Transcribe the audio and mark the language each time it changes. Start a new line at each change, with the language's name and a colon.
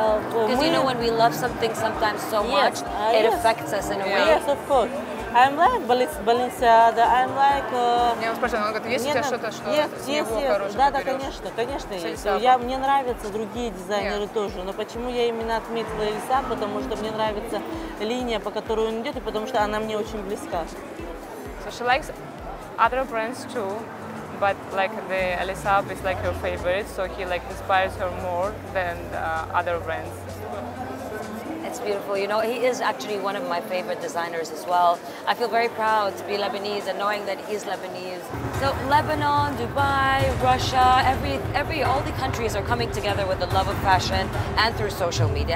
English: Because you know when we love something sometimes so much, it affects us in a way. Yes, of course. I'm like Balenciaga. I'm like.
Russian: Я вам спрашиваю, он говорит, есть у тебя что-то, что с него хорошее? Да, да, конечно есть. Мне нравятся другие дизайнеры тоже, но почему я именно отметила Лиса? Потому что мне нравится линия, по которой он идет, и потому что она мне очень близка.
English: So she likes other brands too. But like the Elisab is like her favorite, so he like inspires her more than other brands. It's beautiful, you know, he is actually one of my favorite designers as well. I feel very proud to be Lebanese and knowing that he's Lebanese. So Lebanon, Dubai, Russia, all the countries are coming together with the love of fashion and through social media.